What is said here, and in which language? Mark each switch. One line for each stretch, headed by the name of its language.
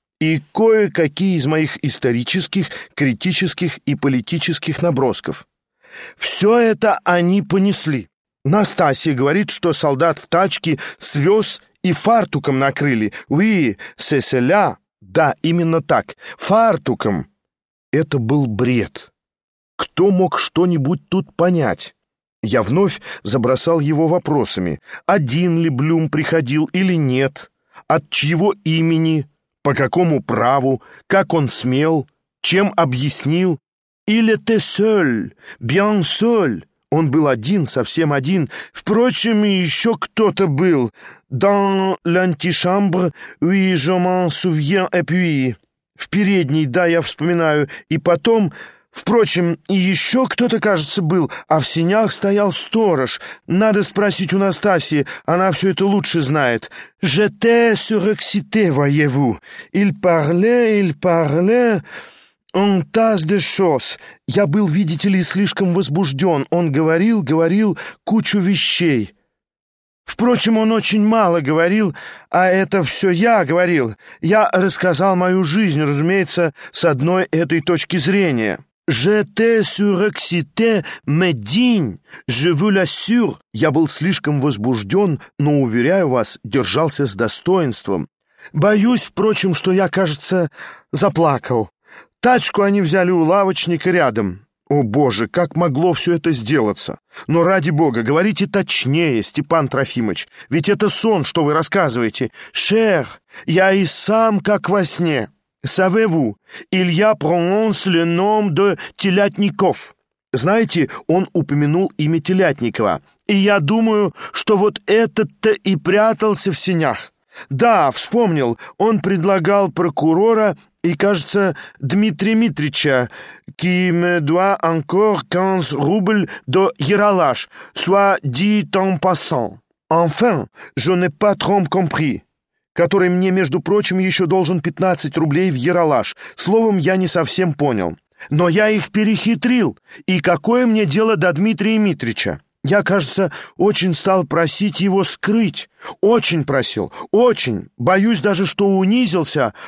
Russian: «И кое-какие из моих исторических, критических и политических набросков». «Все это они понесли». «Настасья говорит, что солдат в тачке свез и фартуком накрыли». «Oui, c'est cela». «Да, именно так, фартуком». «Это был бред». Кто мог что-нибудь тут понять? Я вновь забросал его вопросами. Один ли Блюм приходил или нет? От чьего имени? По какому праву? Как он смел? Чем объяснил?
French: «Il était seul, bien seul».
Russian: Он был один, совсем один. Впрочем, и еще кто-то был.
French: «Dans l'antichambre, oui, je m'en souviens, et puis».
Russian: В передней, да, я вспоминаю. И потом, впрочем, и еще кто-то, кажется, был. А в сенях стоял сторож. Надо спросить у Настасьи, она все это лучше знает.
French: «J'étais surexcité, voyez-vous. Il parlait... «Un tas de choses».
Russian: «Я был, видите ли, слишком возбужден. Он говорил кучу вещей». «Впрочем, он очень мало говорил, а это все я говорил. Я рассказал мою жизнь, разумеется, с одной этой точки зрения».
French: «J'étais surexcité, mais digne, je vous l'assure».
Russian: «Я был слишком возбужден, но, уверяю вас, держался с достоинством». «Боюсь, впрочем, что я, кажется, заплакал». Тачку они взяли у лавочника рядом. О, Боже, как могло все это сделаться? Но ради Бога, говорите точнее, Степан Трофимович, ведь это сон, что вы рассказываете. Шер, я и сам как во сне. Савеву, Илья прононс леном де Телятников. Знаете, он упомянул имя Телятникова. И я думаю, что вот этот-то и прятался в сенях. Да, вспомнил, он предлагал прокурора... И, кажется, Дмитрия Митрича,
French: «Qui me doit encore 15 rubles de Ералаш, soit dit en passant. Enfin, je n'ai pas trop compris».
Russian: «Который мне, между прочим, еще должен 15 рублей в Ералаш. Словом, я не совсем понял. Но я их перехитрил. И какое мне дело до Дмитрия Митрича? Я, кажется, очень стал просить его скрыть. Очень просил, очень. Боюсь даже, что унизился.